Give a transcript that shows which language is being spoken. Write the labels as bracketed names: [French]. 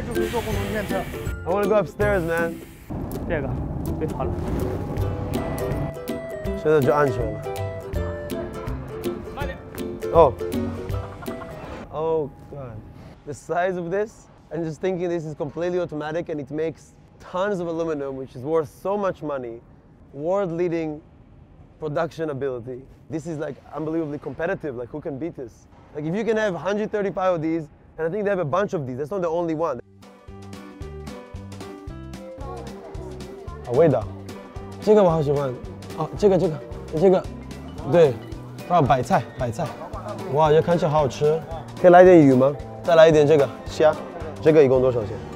[Chinese] 这个吨铝，这个电耗也是1万2000多，也是世界最先进的。我看到上面还有这个，这个什么呀？这个就是做共同电池。 [English] I wanna go upstairs, man. [Chinese] 这个最好了。现在就安全了。慢点。Oh. [English] Oh god. The size of this, I'm just thinking this is completely automatic and it makes tons of aluminum, which is worth so much money, world leading. Production ability. This is like unbelievably competitive. Like, who can beat this? Like, if you can have 135 of these, and I think they have a bunch of these, that's not the only one. [Chinese] Oh, 味道，这个我好喜欢。哦，这个，对，啊，白菜，哇，这看起来好吃。可以来点鱼吗？再来一点这个虾，这个一共多少钱？